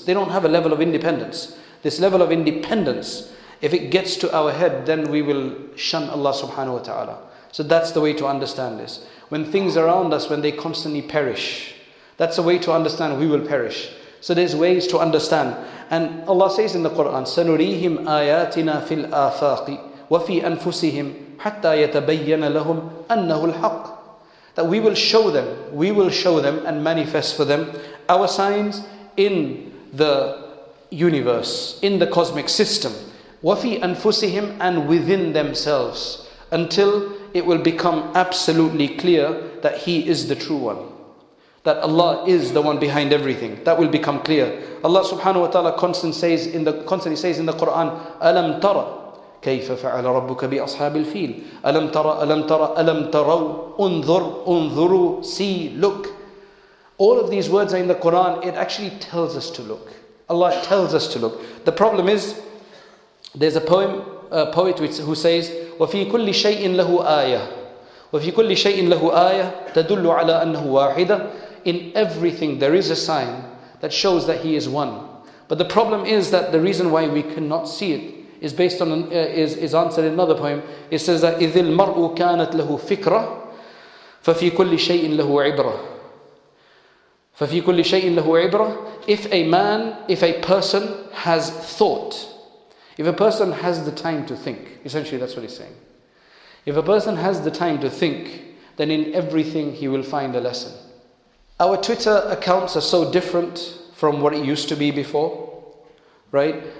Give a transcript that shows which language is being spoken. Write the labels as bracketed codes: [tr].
[en] They don't have a level of independence. This level of independence, if it gets to our head, then we will shun Allah subhanahu wa ta'ala. So that's the way to understand this. When things around us, when they constantly perish, that's a way to understand we will perish. So there's ways to understand. And Allah says in the Quran, [ar] سَنُرِيهِمْ آيَاتِنَا فِي الْآفَاقِ وَفِي أَنفُسِهِمْ حَتَّى يَتَبَيَّنَ لَهُمْ أَنَّهُ الْحَقِّ. [en] That we will show them and manifest for them our signs in the universe, in the cosmic system. [ar] وَفِي أَنفُسِهِمْ [en] and within themselves, until it will become absolutely clear that He is the true one. That Allah is the one behind everything. That will become clear. Allah subhanahu wa ta'ala constantly says in the Quran, [ar] أَلَمْ تَرَى كَيْفَ فَعَلَ رَبُّكَ بِأَصْحَابِ الْفِيلِ أَلَمْ تَرَوْا أُنْذُرُوا [en] see, look. All of these words are in the Quran. It actually tells us to look. Allah tells us to look. The problem is, there's a poem, a poet who says, [ar] وَفِي كُلِّ شَيْءٍ لَهُ آيَةٍ وَفِي كُلِّ شَيْءٍ لَهُ آيَةٍ تَدُلُّ عَلَىٰ أَنْهُ وَاحِدًا. [en] In everything there is a sign that shows that He is one. But the problem is that the reason why we cannot see it is based on is answered in another poem. It says that [ar] إِذِ الْمَرْءُ كَانَتْ لَهُ فِكْرَةٍ فَفِي كُلِّ شَيْءٍ لَهُ عِبْرَةٍ فَفِي كُلِّ شَيْءٍ لَهُ عِبْرَةٍ. [en] If a person has thought, if a person has the time to think, essentially that's what he's saying. If a person has the time to think, then in everything he will find a lesson. Our Twitter accounts are so different from what it used to be before, right?